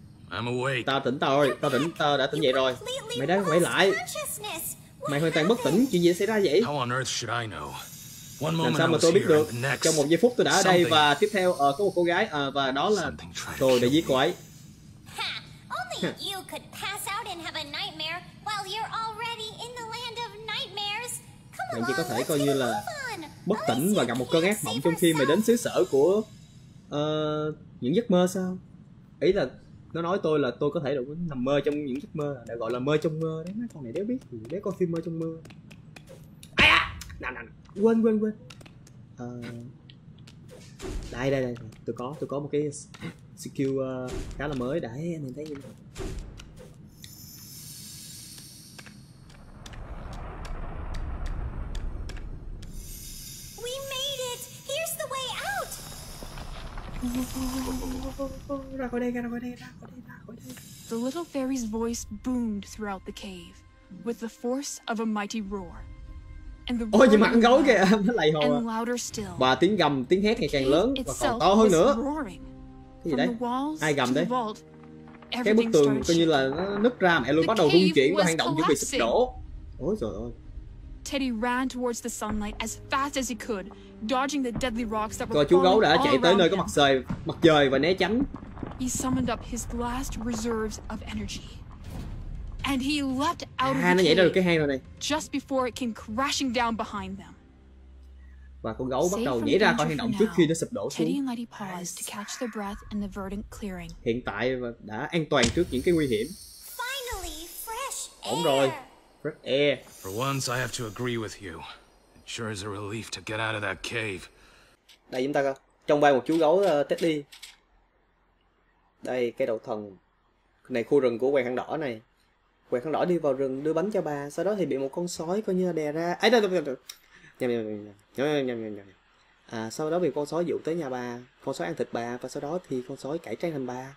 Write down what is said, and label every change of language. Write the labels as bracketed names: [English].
[English] I'm awake. [Vietnamese] Tao tỉnh rồi, tao đã tỉnh dậy rồi. Mày đang quậy lại. Mày hoàn toàn bất tỉnh, chuyện gì xảy ra vậy? [English] How on earth should I know? [Vietnamese] Làm sao mà tôi biết được? Trong một giây phút tôi đã ở đây và tiếp theo có một cô gái và đó là tôi để giết cô ấy. [English] You could pass out and have a nightmare while you're already in the land of nightmares. Come on, [Vietnamese] chỉ có thể coi như là bất tỉnh và gặp một cơn ác mộng trong khi mày đến xứ sở của những giấc mơ sao? Ý là nó nói tôi là tôi có thể được nằm mơ trong những giấc mơ, đã gọi là mơ trong mơ đấy. Mấy con này đéo biết, đéo coi phim mơ trong mơ. Ai à? Nào, quên. Đây, tôi có một cái skill khá là mới đấy, anh em thấy như vậy. [English] We made it. Here's the way out. [Vietnamese] Ra khỏi đây. [English] The little fairy's voice boomed throughout the cave with the force of a mighty roar. [Vietnamese] Ôi nhìn mặt gấu kìa, nó lầy hồ à. Và tiếng gầm, tiếng hét ngày càng lớn và còn to hơn nữa. Cái gì đấy? Ai gầm đấy? Cái bức tường coi như là nó nứt ra, mẹ luôn bắt đầu rung chuyển và hang động chuẩn bị sụp đổ. Ôi trời ơi. [English] Teddy ran towards the sunlight as fast as he could, dodging the deadly rocks that were. [Vietnamese] Rồi chú gấu đã chạy tới nơi có mặt trời và né tránh. [English] He summoned up his last reserves of energy. And he leapt out of the cave just before it came crashing down behind them. [Vietnamese] Và con gấu bắt đầu nhảy ra khỏi hang động trước khi nó sụp đổ xuống. [English] Teddy and Lighty paused to catch their breath in the verdant clearing. [Vietnamese] Hiện tại đã an toàn trước những cái nguy hiểm. [English] Finally, fresh air. [Vietnamese] Ổn rồi. [English] Fresh air. For once, I have to agree with you. It sure is a relief to get out of that cave. [Vietnamese] Đây chúng ta coi. trong vai một chú gấu Teddy. Đây cái đầu thần này, khu rừng của quầy khăn đỏ này. Quầy khăn đỏ đi vào rừng đưa bánh cho bà, sau đó thì bị một con sói coi như là đè ra. Ấy đâu đâu nhầm nhầm nhầm nhầm nhầm nhầm nhầm. À, sau đó bị con sói dụ tới nhà bà, con sói ăn thịt bà, và sau đó thì con sói cải trang thành bà.